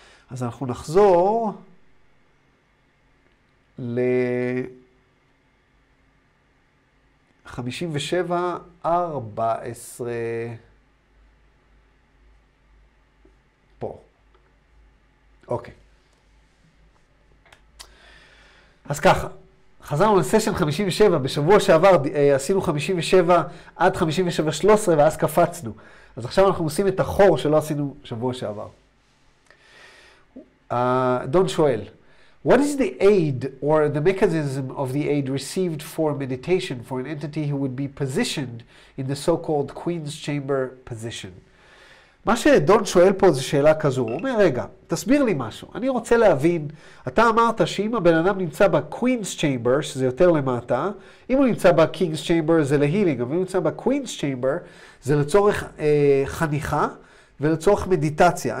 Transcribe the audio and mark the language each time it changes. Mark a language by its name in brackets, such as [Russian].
[Hebrew] אז אנחנו נחזור ל 57 14 פה. אוקיי. אז ככה, חזרנו לסשן 57, בשבוע שעבר עשינו 57 עד 57-13 ואז קפצנו. אז עכשיו אנחנו עושים את החור שלא עשינו שבוע שעבר. דון שואל, [English] What is the aid or the mechanism of the aid received for meditation for an entity who would be positioned in the so-called Queen's Chamber position? [Hebrew] מה שדון שואל פה זה שאלה כזו, הוא אומר, רגע, תסביר לי משהו, אני רוצה להבין, אתה אמרת שאם הבן אדם נמצא ב-Queen's Chamber, שזה יותר למטה, אם הוא נמצא ב-King's Chamber זה להילינג, אבל אם הוא נמצא ב-Queen's Chamber זה לצורך חניכה ולצורך מדיטציה.